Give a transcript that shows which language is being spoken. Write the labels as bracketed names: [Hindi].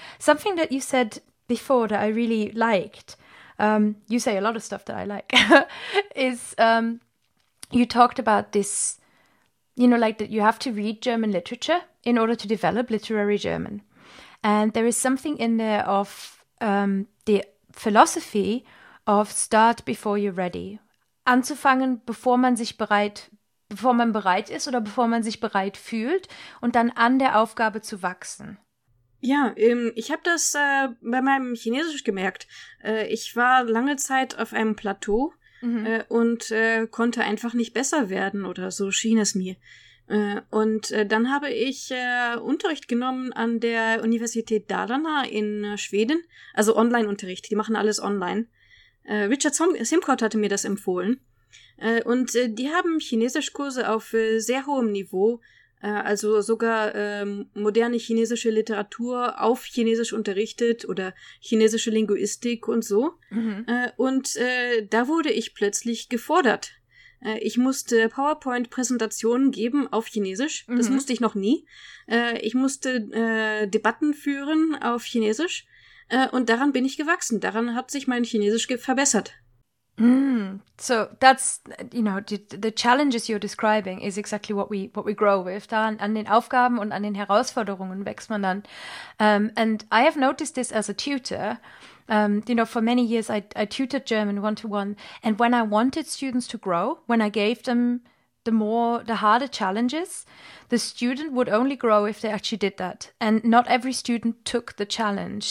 [English] Something that you said before that I really liked, you say a lot of stuff that I like, is you talked about this, you know, like that you have to read German literature in order to develop literary German. And there is something in there of the philosophy of start before you're ready. [German] Anzufangen, bevor man bereit ist oder bevor man sich bereit fühlt, und dann an der Aufgabe zu wachsen. Ja, ich habe das bei meinem Chinesisch gemerkt. Ich war lange Zeit auf einem Plateau und konnte einfach nicht besser werden, oder so schien es mir. Und dann habe ich Unterricht genommen an der Universität Dalarna in Schweden, also Online-Unterricht, die machen alles online. Richard Simcott hatte mir das empfohlen. Und die haben Chinesischkurse auf sehr hohem Niveau, also sogar moderne chinesische Literatur auf Chinesisch unterrichtet oder chinesische Linguistik und so. Und da wurde ich plötzlich gefordert. Ich musste PowerPoint-Präsentationen geben auf Chinesisch. Das musste ich noch nie. Ich musste Debatten führen auf Chinesisch. Und daran bin ich gewachsen. Daran hat sich mein Chinesisch verbessert. [English] So that's, you know, the challenges you're describing is exactly what we grow with. [German] Da an den Aufgaben und an den Herausforderungen wächst man dann. [English] And I have noticed this as a tutor. You know, for many years I tutored German one-to-one. And when I wanted students to grow, when I gave them the harder challenges, the student would only grow if they actually did that. And not every student took the challenge.